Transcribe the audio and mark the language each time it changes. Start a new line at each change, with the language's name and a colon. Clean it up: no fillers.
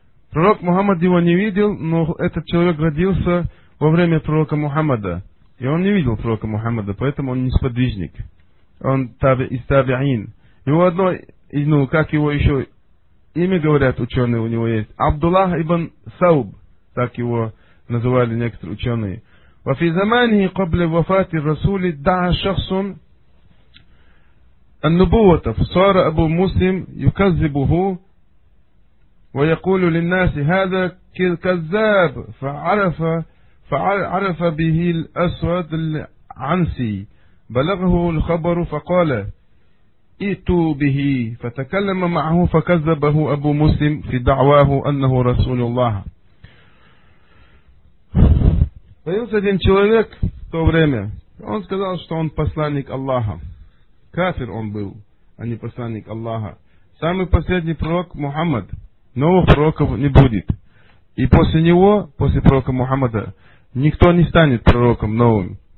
Russian: Пророк Мухаммад его не видел, но этот человек родился во время пророка Мухаммада. И он не видел пророка Мухаммада, поэтому он не сподвижник. Он из таби'ин. Его одно, как его еще имя говорят ученые, у него есть Абдуллах ибн Сауб. Так его называли некоторые ученые.
Arabic: وفي زمانه قبل وفاة الرسول ادعى شخص النبوة فصار أبو مسلم يكذبه ويقول للناس هذا كذاب، فعرف به الأسود العنسي، بلغه الخبر فقال ائتوا به، فتكلم معه فكذبه أبو مسلم في دعواه أنه رسول الله.
Russian: Появился один человек в то время, он сказал, что он посланник Аллаха. Кафир он был, а не посланник Аллаха. Самый последний пророк Мухаммад, новых пророков не будет. И после него, после пророка Мухаммада, никто не станет пророком новым.